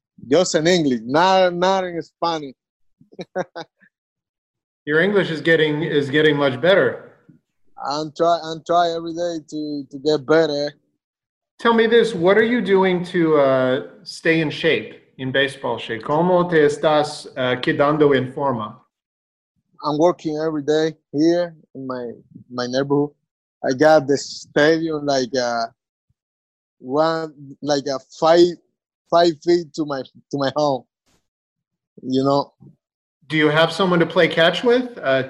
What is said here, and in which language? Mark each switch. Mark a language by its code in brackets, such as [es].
[en] Just in English, not in Spanish. Your English is getting much better. I'm trying every day to get better. Tell me this, what are you doing to stay in shape? In baseball shape, [es] ¿cómo te estás quedando en forma? [en] I'm working every day here in my neighborhood. I got the stadium five feet to my home. You know. Do you have someone to play catch with?